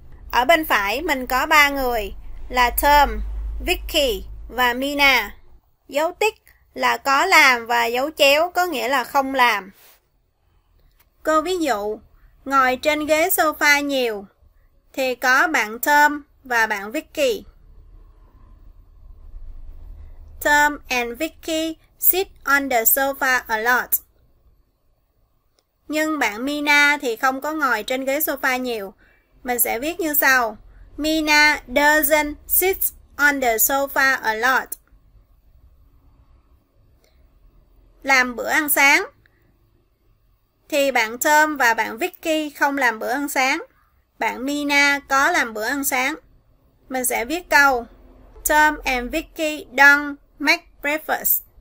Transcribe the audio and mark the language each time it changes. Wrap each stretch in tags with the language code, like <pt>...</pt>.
<vi>Ở bên phải mình có ba người là Tom, Vicky và Mina. Dấu tích là có làm và dấu chéo có nghĩa là không làm. Câu ví dụ, ngồi trên ghế sofa nhiều thì có bạn Tom và bạn Vicky.</vi> <en>Tom and Vicky sit on the sofa a lot.</en> <vi>Nhưng bạn Mina thì không có ngồi trên ghế sofa nhiều. Mình sẽ viết như sau.</vi> <en>Mina doesn't sit on the sofa a lot.</en> <vi>Làm bữa ăn sáng thì bạn Tom và bạn Vicky không làm bữa ăn sáng. Bạn Mina có làm bữa ăn sáng. Mình sẽ viết câu.</vi> <en>Tom and Vicky don't make breakfast.</en>